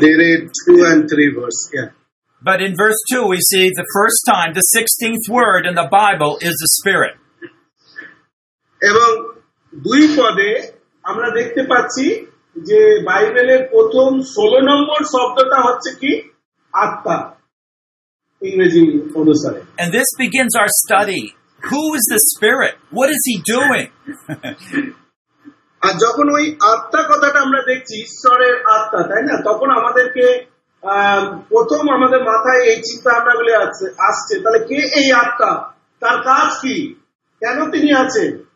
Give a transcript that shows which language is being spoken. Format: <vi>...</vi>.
<en>They read 2 and 3 verse, yeah. But in verse 2, we see the first time, the 16th word in the Bible is the Spirit.</en> <bn>এবং দুই পদে আমরা দেখতে পাচ্ছি যে বাইবেলের প্রথম 16 নম্বর শব্দটা হচ্ছে কি, আত্মা ইংরেজি অনুসারে।</bn> <en>And this begins our study. Who is the Spirit? What is he doing?</en> <bn>আর যখন ওই আত্মা কথাটা আমরা দেখছি, ঈশ্বরের আত্মা, তাই না, তখন আমাদেরকে প্রথম আমাদের মাথায় এই চিন্তা ভাবনা গুলি আসছে, তাহলে কে এই আত্মা, তার কাজ কি, কেন তিনি আছেন।</bn>